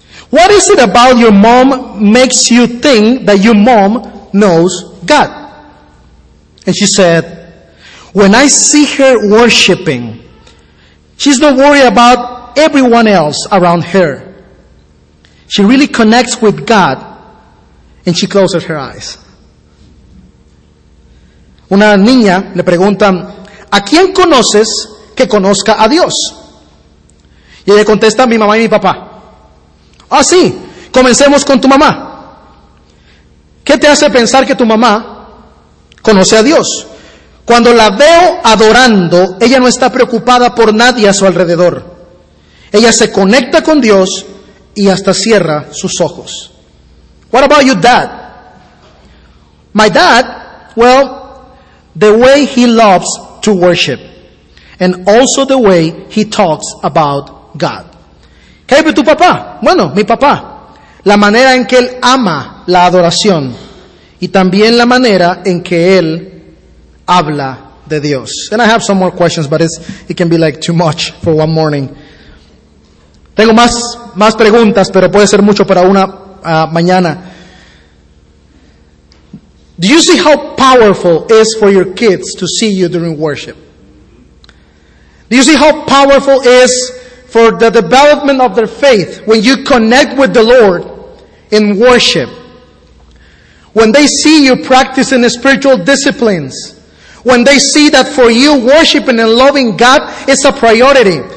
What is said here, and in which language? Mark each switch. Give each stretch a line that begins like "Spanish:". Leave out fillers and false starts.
English: What is it about your mom makes you think that your mom knows God? And she said, when I see her worshiping, she's not worried about everyone else around her. She really connects with God, and she closes her eyes.
Spanish: Una niña le pregunta, ¿a quién conoces que conozca a Dios? Y ella contesta, mi mamá y mi papá. Ah, sí, comencemos con tu mamá. ¿Qué te hace pensar que tu mamá conoce a Dios? Cuando la veo adorando, ella no está preocupada por nadie a su alrededor. Ella se conecta con Dios y hasta cierra sus ojos.
English: What about your dad? My dad, well, the way he loves to worship. And also the way he talks about God.
Spanish: ¿Qué es tu papá? Bueno, mi papá. La manera en que él ama la adoración. Y también la manera en que él habla de Dios.
English: And I have some more questions, but it can be like too much for one morning.
Spanish: Tengo más preguntas, pero puede ser mucho para una mañana.
English: Do you see how powerful it is for your kids to see you during worship? Do you see how powerful it is for the development of their faith when you connect with the Lord in worship? When they see you practicing spiritual disciplines, when they see that for you, worshiping and loving God is a priority.